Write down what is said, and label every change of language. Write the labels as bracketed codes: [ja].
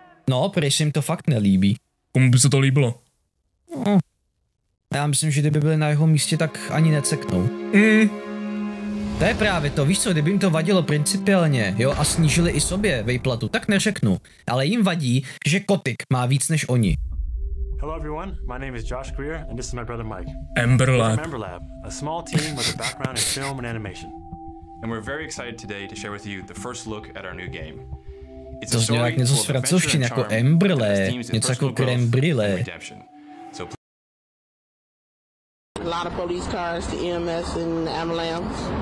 [cs] No, prej se jim to fakt nelíbí. Komu by se to líbilo? No. Já myslím, že kdyby byli na jeho místě, tak ani neceknou. To je právě to, víš co, kdyby jim to vadilo principiálně, jo, a snížili i sobě výplatu, tak neřeknu. Ale jim vadí, že Kotick má víc než oni. [en] Hello everyone, my name is Josh Greer and this is my brother Mike. Ember Lab, a small team with a background in film and animation. And we're very excited today to share with you the first look at our new game. It's a story [cs] něco z francouzštiny jako Ember Lab, něco jako Krembrile. [en] A lot of police cars, the EMS and the MLMs.